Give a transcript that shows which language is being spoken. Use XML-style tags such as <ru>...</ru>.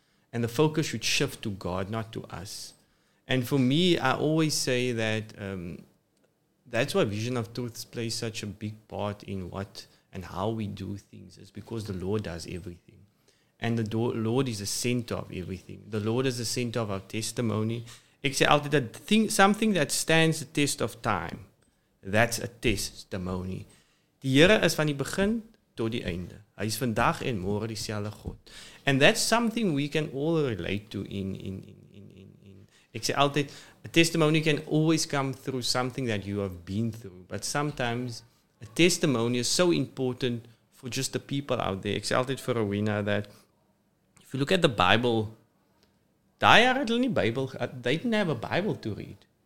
<en>And the focus should shift to God, not to us. And for me, I always say that that's why Vision of Truth plays such a big part in what and how we do things, is because the Lord does everything. And the Lord is the center of everything. The Lord is the center of our testimony. Exactly, that thing, something that stands the test of time, that's a testimony.</en> <af>Die Here is van die begin tot die einde. Hy is vandag en môre dieselfde God.</af> <en>And that's something we can all relate to in</en> <af>ek sê altyd,</af> <en>a testimony can always come through something that you have been through. But sometimes a testimony is so important for just the people out there.</en> <af>Ek sê altyd vir Rowena</af> <en>that if you look at the Bible,</en> <af>die jaar het hulle nie Bible,</af> <en>they didn't have a Bible to read.</en>